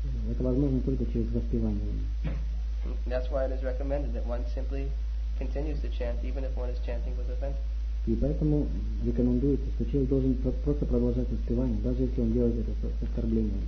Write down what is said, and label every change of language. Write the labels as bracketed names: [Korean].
[Russian] Это возможно только через воспевание. [English] That's why it is recommended that one simply continues to chant even if one is chanting with offense. [Russian] И поэтому рекомендуется, что человек должен просто продолжать воспевание, даже если он делает это с оскорблением.